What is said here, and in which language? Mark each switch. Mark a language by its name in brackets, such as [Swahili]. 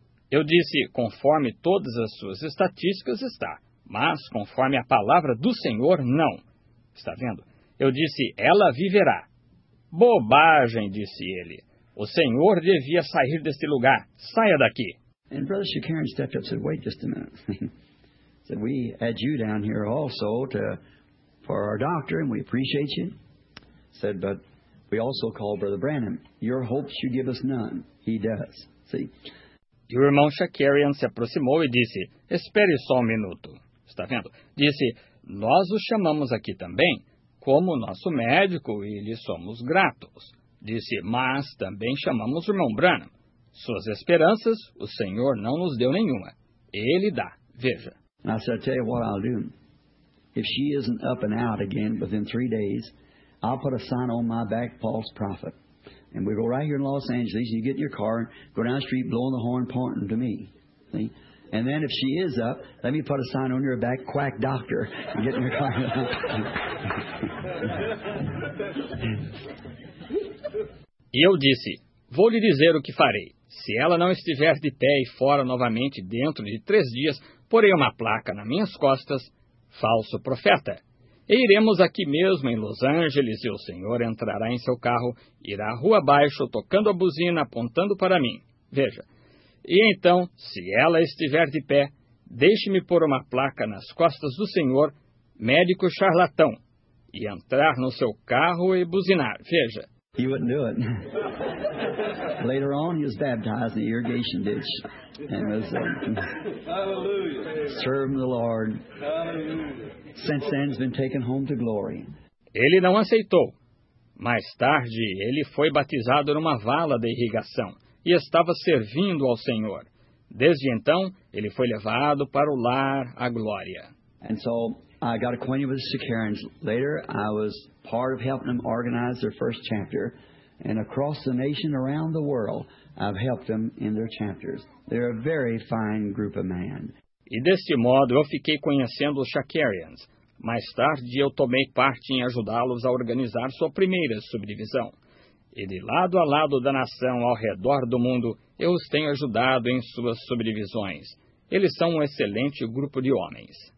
[Portuguese] Eu disse, conforme todas as suas estatísticas está, mas conforme a palavra do Senhor, não. Está vendo? Eu disse, ela viverá. Bobagem, disse ele. O Senhor devia sair deste lugar. Saia daqui. [English] And Brother Shakarin stepped up and said, wait just a minute. Said, we had you down here also for our doctor, and we appreciate you. Said, but we also call Brother Branham. Your hopes you give us none. He does. See? [Portuguese] E o irmão Shakarian se aproximou e disse, espere só um minuto. Está vendo? Disse, nós o chamamos aqui também como nosso médico e lhe somos gratos. Disse, mas também chamamos o irmão Branham. Suas esperanças, o Senhor não nos deu nenhuma. Ele dá. Veja. [English] I said, I'll tell you what I'll do. If she isn't up and out again within 3 days, I'll put a sign on my back, false prophet. And we go right here in Los Angeles, you get in your car, go down the street, blowing the horn, pointing to me. See? And then if she is up, let me put a sign on your back, quack doctor, and get in your car. [Portuguese] E eu disse, vou lhe dizer o que farei. Se ela não estiver de pé e fora novamente dentro de 3 dias, porei uma placa nas minhas costas, falso profeta. E iremos aqui mesmo em Los Angeles e o senhor entrará em seu carro, irá rua abaixo, tocando a buzina, apontando para mim. Veja. E então, se ela estiver de pé, deixe-me pôr uma placa nas costas do senhor, médico charlatão, e entrar no seu carro e buzinar. Veja. [English] He wouldn't do it. Later on, he was baptized in the irrigation ditch. And was serving the Lord. Since then, he's been taken home to glory. [Portuguese] Ele não aceitou. Mais tarde, ele foi batizado numa vala de irrigação e estava servindo ao Senhor. Desde então, ele foi levado para o lar à glória. [English] And so, I got acquainted with the Karens. Later, I was part of helping them organize their first chapter. And across the nation, around the world, I've helped them in their chapters. They're a very fine group of men. [Portuguese] E deste modo, eu fiquei conhecendo os Shakarians. Mais tarde, eu tomei parte em ajudá-los a organizar sua primeira subdivisão. E de lado a lado da nação, ao redor do mundo, eu os tenho ajudado em suas subdivisões. Eles são um excelente grupo de homens.